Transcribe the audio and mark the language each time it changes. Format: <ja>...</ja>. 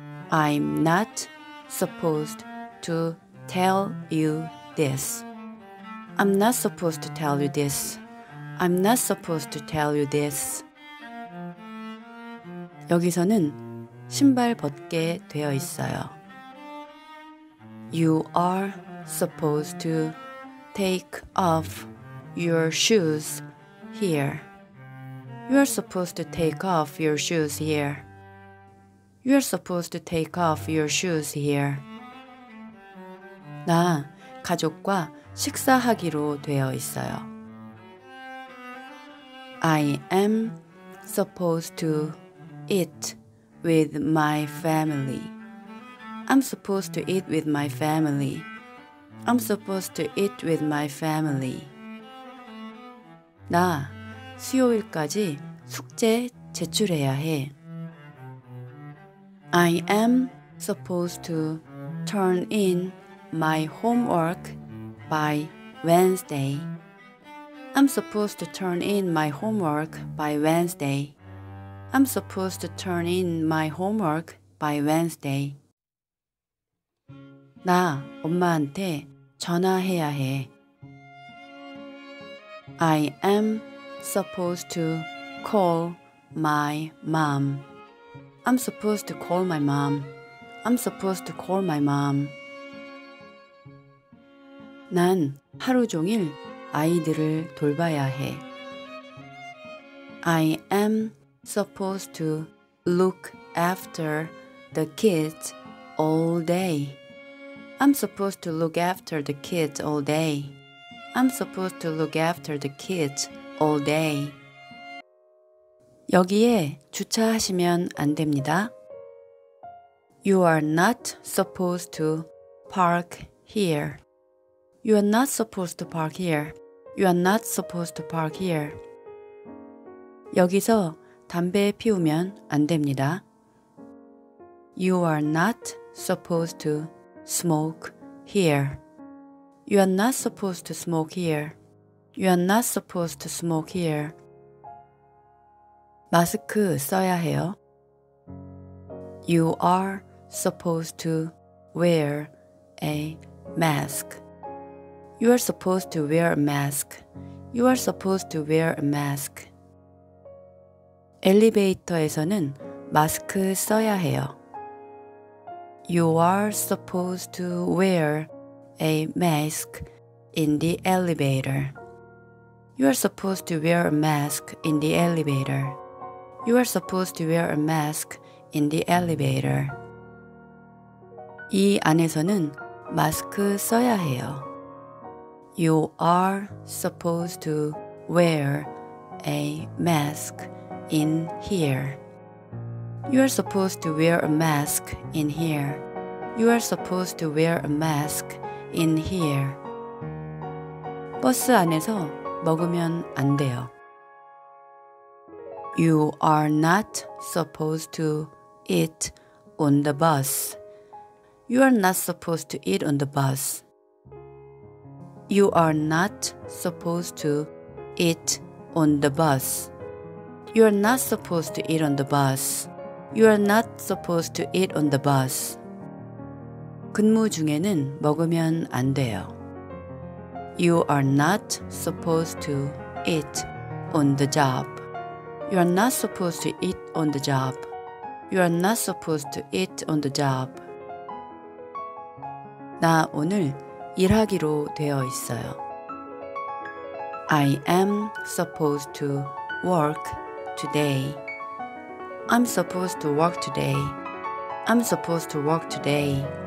<en>I'm not supposed to tell you this. I'm not supposed to tell you this. I'm not supposed to tell you this.</en> <ko>여기서는 신발 벗게 되어 있어요.</ko> <en>You are supposed to take off your shoes here. You are supposed to take off your shoes here. You are supposed to take off your shoes here.</en> <ko>나 가족과 식사하기로 되어 있어요.</ko> <en>I am supposed to eat with my family. I'm supposed to eat with my family. I'm supposed to eat with my family.</en> <ko>나 수요일까지 숙제 제출해야 해.</ko> <en>I am supposed to turn in my homework by Wednesday. I'm supposed to turn in my homework by Wednesday. I'm supposed to turn in my homework by Wednesday.</en> <ko>나 엄마한테 전화해야 해.</ko> <en>I am supposed to call my mom. I'm supposed to call my mom. I'm supposed to call my mom.</en> <ko>난 하루 종일 아이들을 돌봐야 해.</ko> <en>I am supposed to look after the kids all day. I'm supposed to look after the kids all day. I'm supposed to look after the kids all day.</en> <ko>여기에 주차하시면 안 됩니다.</ko> <en>You are not supposed to park here. You are not supposed to park here. You are not supposed to park here.</en> <ko>여기서 담배 피우면 안 됩니다.</ko> <en>You are not supposed to smoke here. You are not supposed to smoke here. You are not supposed to smoke here.</en> <ko>마스크 써야 해요.</ko> <en>You are supposed to wear a mask. You are supposed to wear a mask. You are supposed to wear a mask.</en> <ko>엘리베이터에서는 마스크 써야 해요.</ko> <en>You are supposed to wear a mask in the elevator. You are supposed to wear a mask in the elevator. You are supposed to wear a mask in the elevator.</en> <ko>이 안에서는 마스크 써야 해요.</ko> <en>You are supposed to wear a mask in here. You are supposed to wear a mask in here. You are supposed to wear a mask in here.</en> <ko>버스 안에서 먹으면 안 돼요.</ko> <en>You are not supposed to eat on the bus. You are not supposed to eat on the bus. You are not supposed to eat on the bus. You are not supposed to eat on the bus. You are not supposed to eat on the bus.</en> <ko>근무 중에는 먹으면 안 돼요.</ko> <en>You are not supposed to eat on the job. You are not supposed to eat on the job. You are not supposed to eat on the job.</en> <ko>나 오늘 일하기로 되어 있어요.</ko> <en>I am supposed to work today. I'm supposed to work today. I'm supposed to work today.</en>